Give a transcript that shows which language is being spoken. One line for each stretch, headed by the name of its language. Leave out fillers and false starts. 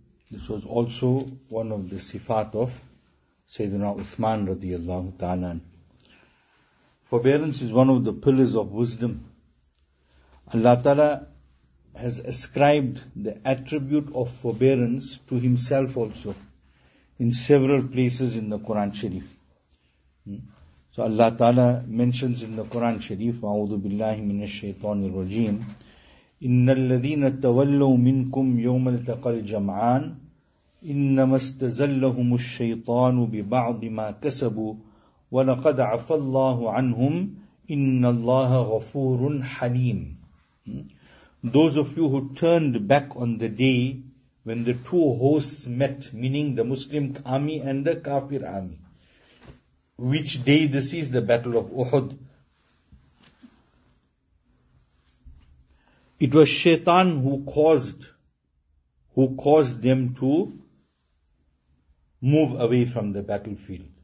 English: This was also one of the sifat of Sayyidina Uthman radiallahu ta'ala. Forbearance is one of the pillars of wisdom. Allah ta'ala has ascribed the attribute of forbearance to himself also in several places in the Quran Sharif. So Allah ta'ala mentions in the Quran Sharif,
Arabic: أَعُوذُ بِاللَّهِ مِنَ الشَّيْطَانِ الرَّجِيمِ إِنَّ الَّذِينَ تَوَلَّوْا مِنْكُمْ يَوْمَ الْتَقَى الْجَمْعَانِ إِنَّمَا اسْتَزَلَّهُمُ الشَّيْطَانُ بِبَعْضِ مَا كَسَبُوا وَلَقَدْ عَفَى اللَّهُ عَنْهُمْ إِنَّ اللَّهَ غَفُورٌ حَلِيمٌ.
English: Those of you who turned back on the day when the two hosts met, meaning the Muslim army and the Kafir army. Which day this is? The Battle of Uhud. It was Shaitan who caused them to move away from the battlefield.